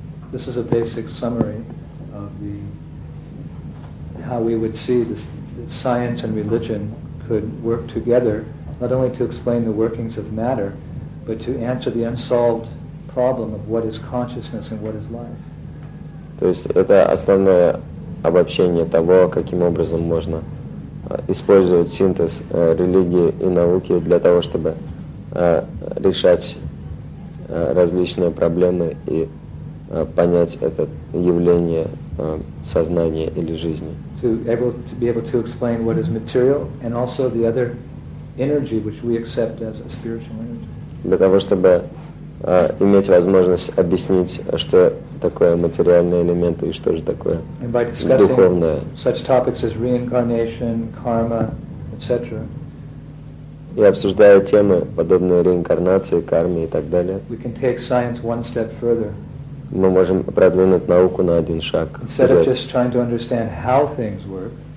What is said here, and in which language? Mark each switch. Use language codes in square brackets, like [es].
[en] This is a basic summary of the how we would see this, that science and religion could work together, not only to explain the workings of matter, but to answer the unsolved problem of what is consciousness and what is life. [ru] То есть это основное обобщение того, каким образом можно использовать синтез религии и науки для того, чтобы решать различные проблемы и понять это явление сознания или жизни. [en] To be able to explain what is material and also the other energy which we accept as a spiritual energy. [ru] Для того, чтобы иметь возможность объяснить, что такое материальные элементы и что же такое духовное. [en] Such topics as reincarnation, karma, etc. [ru] И обсуждая темы, подобные реинкарнации, карме и так далее. [en] We can take science one step further. [ru] Мы можем продвинуть науку на один шаг. [en] Instead of just trying to understand how things work,